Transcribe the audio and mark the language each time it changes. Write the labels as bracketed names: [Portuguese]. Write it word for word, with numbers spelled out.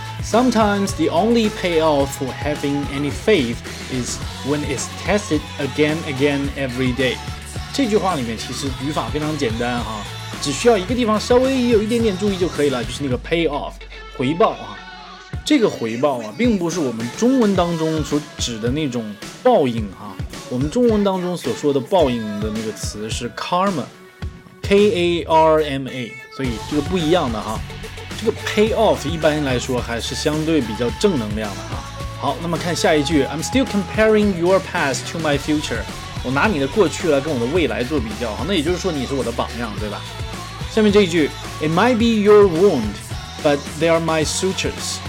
[English] Sometimes the only payoff for having any faith is when it's tested again, again, every day。 [Chinese] 这句话里面其实语法非常简单哈，只需要一个地方稍微有一点点注意就可以了，就是那个 payoff 回报啊。这个回报啊，并不是我们中文当中所指的那种报应哈。我们中文当中所说的报应的那个词是 karma, k a r m a， 所以这个不一样的哈。这个 payoff 一般来说还是相对比较正能量的哈。好，那么看下一句 [English] ，I'm still comparing your past to my future。 [Chinese] 我拿你的过去来跟我的未来做比较，那也就是说你是我的榜样，对吧？下面这一句 [English] It might be your wound, but they are my sutures。